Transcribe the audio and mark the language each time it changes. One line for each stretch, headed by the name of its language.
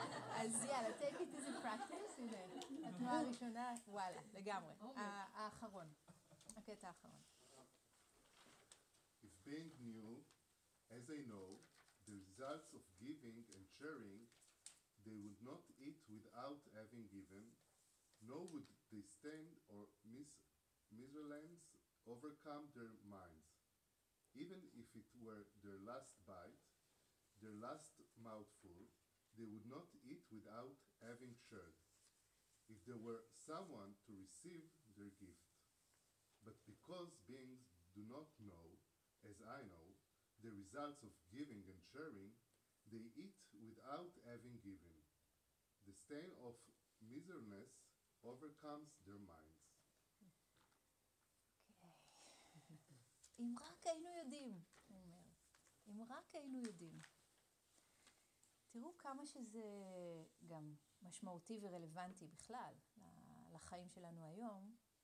Hebrew: אז יאללה,
English: take it as a practice,
Hebrew: הנה. התנועה הראשונה, וואלה, לגמרי. האחרון, הקטע האחרון.
English: If being new, as I know, the results of giving and sharing, they would not eat without having given, nor would they stand or miserlands overcome their minds. Even if it were their last bite, their last mouthful, they would not eat without having shared, if there were someone to receive their gift. But because beings do not know, as I know, the results of giving and sharing, they eat without having given. The stain of miserness overcomes their minds. Okay.
Hebrew: אם רק היינו יודעים, הוא אומר, אם רק היינו יודעים. תראו כמה שזה גם משמעותי ורלוונטי בכלל לחיים שלנו היום.